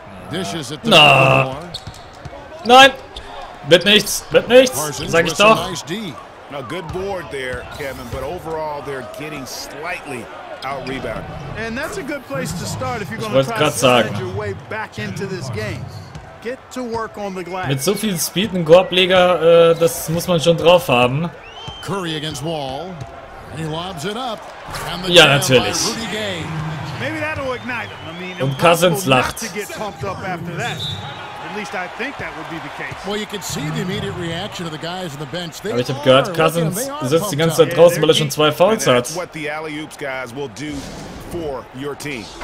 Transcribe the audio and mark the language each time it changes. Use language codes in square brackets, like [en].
[en] Dishes at the floor. [de] Nein. Wird nichts, sag ich doch. [en] A good board there, Kevin, but overall they're getting slightly out rebound. And that's a good place to start if you're going to try to get your way back into this game. Get to work on the glass. [de] Mit so viel Speed ein Korbleger, das muss man schon drauf haben. [en] Curry against Wall. And he lobs it up. [de] Ja, natürlich. [en] Maybe that'll ignite him. I mean, [de] und Cousins lacht. [en] To get pumped up after that. At least I think that would be the case. Well, you can see the immediate reaction of the guys on the bench. [de] Aber ich habe gehört, Cousins sitzt die ganze Zeit draußen, weil er schon zwei Fouls hat. [en] What the alley-oops guys will do for your team.